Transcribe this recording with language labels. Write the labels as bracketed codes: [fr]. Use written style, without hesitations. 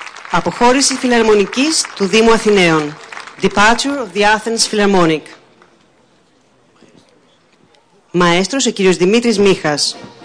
[el] Αποχώρηση φιλαρμονικής του Δήμου Αθηναίων. [en] Departure of the Athens Philharmonic. [el] Μαέστρος ο κύριος Δημήτρης Μίχας.